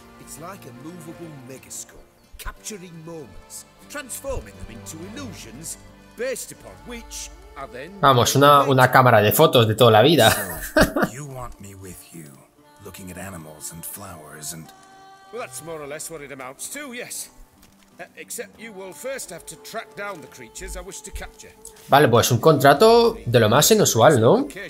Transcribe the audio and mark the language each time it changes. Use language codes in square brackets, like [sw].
[en] It's like a movable megascope, capturing moments, transforming them into illusions based upon which are then... [es] Vamos, una cámara de fotos de toda la vida. [en] So, you want me with you, looking at animals and flowers and... Well, that's more or less what it amounts to, yes. Except you will first have to track down the creatures I wish to capture. [es] Vale, pues un contrato de lo más inusual, ¿no?